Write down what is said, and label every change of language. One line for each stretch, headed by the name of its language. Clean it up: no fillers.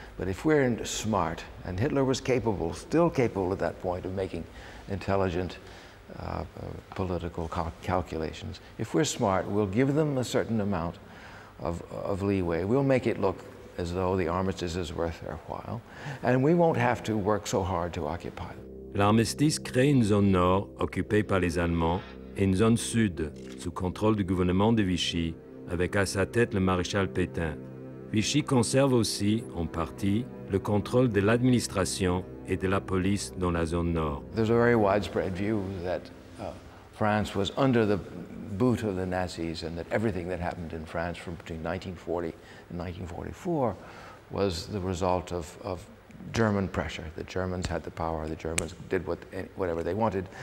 English: But if we're smart, and Hitler was capable, still capable at that point of making intelligent political calculations. If we're smart, we'll give them a certain amount of leeway. We'll make it look as though the armistice is worth their while, and we won't have to work so hard to occupy them.
French: L'armistice crée une zone nord occupée par les Allemands et une zone sud sous contrôle du gouvernement de Vichy avec à sa tête le maréchal Pétain. Vichy conserve aussi, en partie, le contrôle de l'administration et de la police dans la zone nord.
English: There's a very widespread view that France was under the boot of the Nazis and that everything that happened in France from between 1940 and 1944 was the result of German pressure. The Germans had the power, the Germans did whatever they wanted.